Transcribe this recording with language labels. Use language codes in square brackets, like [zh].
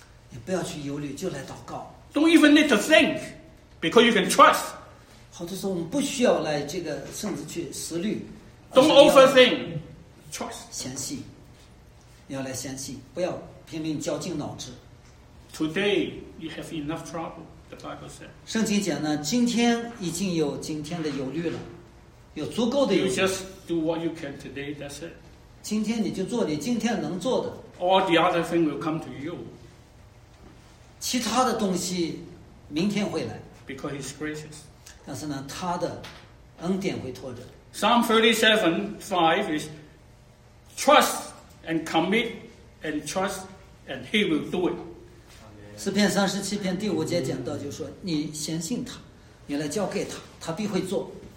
[zh] 你不要去忧虑，就来祷告。 [en] Don't even need to think, because you can trust. [zh] 好多时候我们不需要来这个，甚至去思虑。 [en] Don't overthink. Trust. [zh] 相信。你要来相信，不要拼命绞尽脑汁。 [en] Today you have enough trouble, the Bible said. [zh] 圣经讲呢，今天已经有今天的忧虑了，有足够的忧虑。 [en] You just do what you can today. That's it. [zh] 今天你就做你今天能做的。 [en] All the other thing will come to you. [zh] 其他的东西明天会来。 [en] Because he's gracious. [zh] 但是呢，他的恩典会托着。 [en] Psalm 37, 5 is trust and commit and trust and he will do it. [zh] 诗篇三十七篇第五节讲到，就是说你相信他，你来交给他，他必会做。